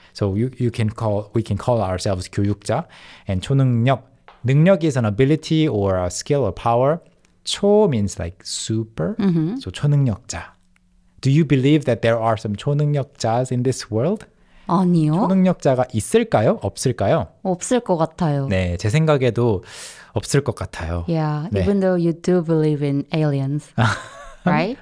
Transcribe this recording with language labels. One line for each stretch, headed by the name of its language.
English: So you can call, we can call ourselves 교육자. And 초능력. 능력 is an ability or a skill or power. 초 means like super, so 초능력자. Do you believe that there are some 초능력자s in this world?
Korean: 아니요. 초능력자가 있을까요? 없을까요? 없을 것 같아요. 네, 제 생각에도 없을 것 같아요. Yeah, 네.
English: Even though you do believe in aliens, right?